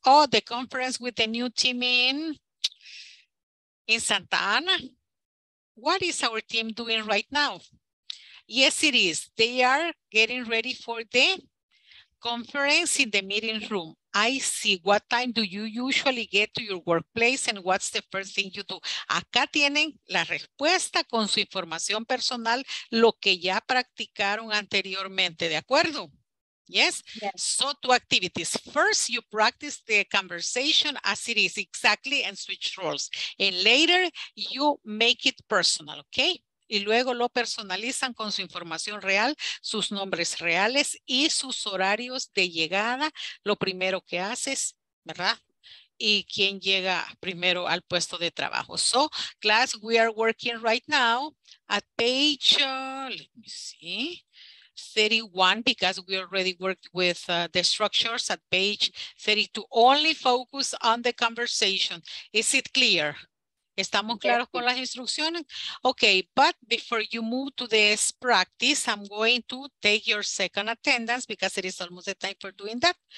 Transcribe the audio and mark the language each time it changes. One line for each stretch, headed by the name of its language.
English: Oh, the conference with the new team in Santa Ana. What is our team doing right now? Yes, it is. They are getting ready for the conference in the meeting room. I see. What time do you usually get to your workplace and what's the first thing you do?
Spanish: Acá tienen la respuesta con su información personal, lo que ya practicaron anteriormente, ¿de acuerdo?
English: Yes? Yes. So two activities. First, you practice the conversation as it is exactly and switch roles. And later, you make it personal, okay?
Spanish: Y luego lo personalizan con su información real, sus nombres reales y sus horarios de llegada. Lo primero que haces, ¿verdad? Y quién llega primero al puesto de trabajo.
English: So, class, we are working right now at page, let me see, 31, because we already worked with the structures at page 32. Only focus on the conversation. Is it clear?
Spanish: ¿Estamos claros con las instrucciones?
English: Okay, but before you move to this practice, I'm going to take your second attendance because it is almost the time for doing that.